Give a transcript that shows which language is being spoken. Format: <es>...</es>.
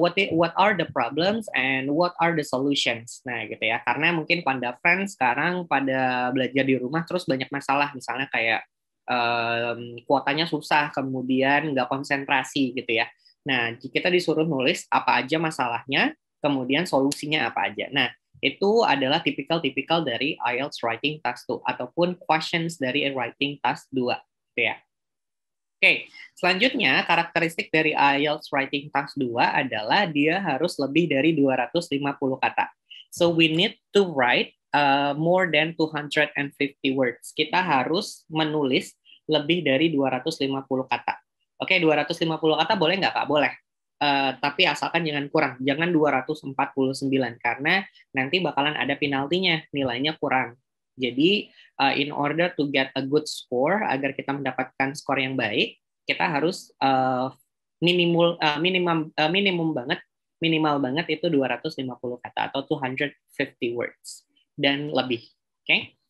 <en>What are the problems and what are the solutions?</en> <id>Nah, gitu ya. Karena mungkin Panda Friends sekarang pada belajar di rumah terus banyak masalah, misalnya kayak kuotanya susah, kemudian nggak konsentrasi gitu ya. Nah, kita disuruh nulis apa aja masalahnya, kemudian solusinya apa aja. Nah, itu adalah tipikal-tipikal dari IELTS Writing Task 2 ataupun questions dari Writing Task 2. Gitu ya. Oke, selanjutnya karakteristik dari IELTS Writing Task 2 adalah dia harus lebih dari 250 kata.</id> <en>So, we need to write more than 250 words.</en> <id>Kita harus menulis lebih dari 250 kata. Oke, 250 kata boleh nggak, Kak? Boleh. Tapi asalkan jangan kurang. Jangan 249, karena nanti bakalan ada penaltinya, nilainya kurang. Jadi,</id> <en>in order to get a good score,</en> <id>agar kita mendapatkan skor yang baik, kita harus minimal banget itu 250 kata atau 250 words dan lebih. Oke? Okay?</id>